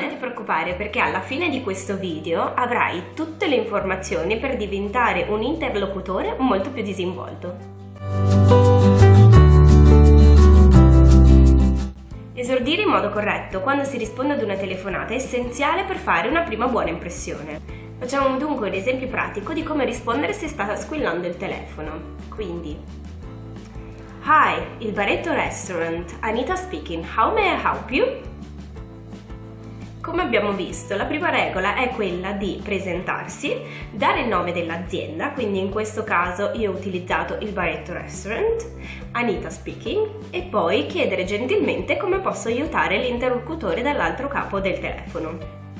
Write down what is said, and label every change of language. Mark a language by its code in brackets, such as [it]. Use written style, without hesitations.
[it] Non ti preoccupare, perché alla fine di questo video avrai tutte le informazioni per diventare un interlocutore molto più disinvolto. Esordire in modo corretto quando si risponde ad una telefonata è essenziale per fare una prima buona impressione. Facciamo dunque un esempio pratico di come rispondere se sta squillando il telefono. [en] Quindi, Hi, il Barretto Restaurant, Anita speaking, how may I help you? [it] Come abbiamo visto, la prima regola è quella di presentarsi, dare il nome dell'azienda, quindi in questo caso io ho utilizzato il Barretto Restaurant, [en] Anita speaking, [it] e poi chiedere gentilmente come posso aiutare l'interlocutore dall'altro capo del telefono.